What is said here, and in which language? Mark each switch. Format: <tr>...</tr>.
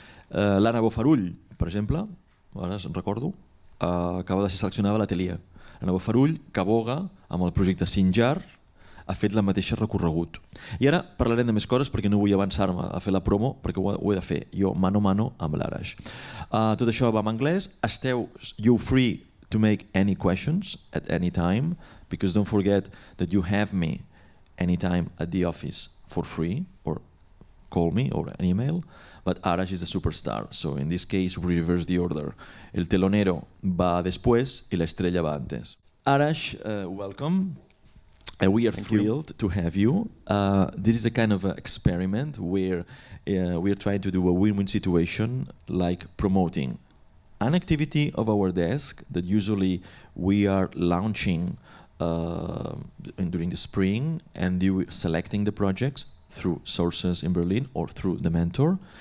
<ca>L'Anna Bofarull, per exemple, ara se'n recordo, acaba de ser seleccionada a l'atelier. Anna Bofarull, que aboga amb el projecte Sinjar, ha fet la mateixa recorregut. I ara parlarem de més coses perquè no vull avançar-me a fer la promo, perquè ho he de fer jo mano a mano amb l'Arash. Tot això va en anglès. Esteu</ca> <en>you free to make any questions at any time, because don't forget that you have me anytime at the office for free, or call me or an email, but Arash is a superstar, so in this case we reverse the order.</en> <ca>El telonero va després i l'estrella va antes. Arash, welcome.</ca> <en>We are thrilled to have you. This is a kind of experiment where we are trying to do a win-win situation, like promoting an activity of our desk that usually we are launching during the spring, and you selecting the projects through sources in Berlin or through the mentor,</en>